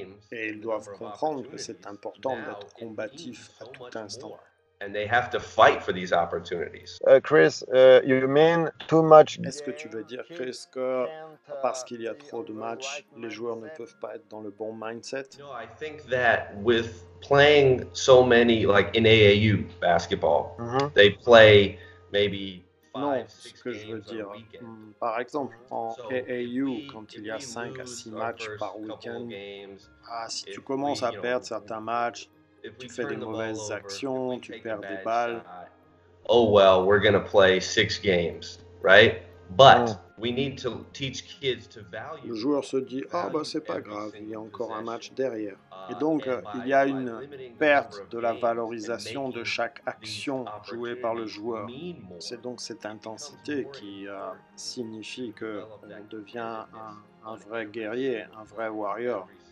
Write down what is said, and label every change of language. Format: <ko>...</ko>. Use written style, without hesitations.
<fr>Et ils doivent comprendre que c'est important d'être combatif à tout instant.</fr> <en>And they have to fight for these opportunities. Chris, you mean too much?</en> <fr>Est-ce que tu veux dire, Chris, que parce qu'il y a trop de matchs, les joueurs ne peuvent pas être dans le bon mindset?</fr> <en>No, I think that with playing so many, like in AAU basketball, they play maybe.</en> <fr>Non, ce que je veux dire, par exemple, en AAU, quand il y a 5 à 6 matchs par week-end, si tu commences à perdre certains matchs. Tu fais des mauvaises actions, tu perds des balles.</fr> <en>Oh well, we're gonna play six games, right? But we need to teach kids to value.</en> <fr>Le joueur se dit, ah bah c'est pas grave, il y a encore un match derrière. Et donc il y a une perte de la valorisation de chaque action jouée par le joueur. C'est donc cette intensité qui signifie que on devient un vrai guerrier, un vrai warrior.</fr>